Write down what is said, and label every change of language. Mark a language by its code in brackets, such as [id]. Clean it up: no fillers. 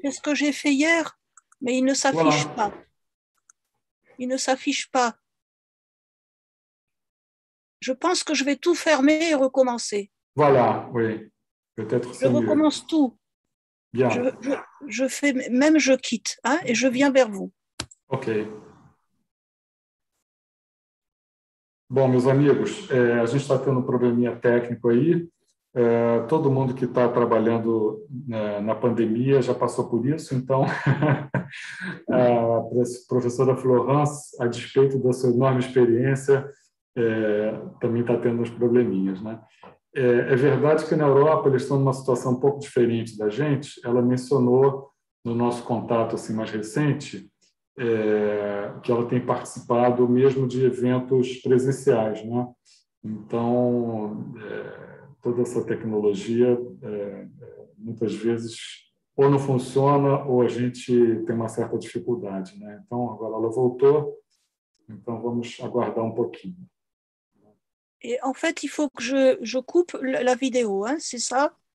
[fr] C'est ce que j'ai fait hier, mais il ne s'affiche pas. Il ne s'affiche pas. Je pense que je vais tout fermer et recommencer. Voilà, oui. Peut-être je recommence mieux. Tout. Bien. Je fais, même je quitte, hein, et je viens vers vous. OK. [pt] Bom, meus amigos, a gente está tendo um probleminha técnico aí. Todo mundo que está trabalhando na pandemia já passou por isso, então a professora Florence, a despeito da sua enorme experiência, também está tendo uns probleminhas, né? É verdade que na Europa eles estão numa situação um pouco diferente da gente. Ela mencionou no nosso contato assim mais recente que ela tem participado mesmo de eventos presenciais, né? Então toda essa tecnologia muitas vezes ou não funciona ou a gente tem uma certa dificuldade, né? Então agora ela voltou, então vamos aguardar um pouquinho. [fr] Et en fait, il faut que je coupe la vidéo, hein, c'est ça?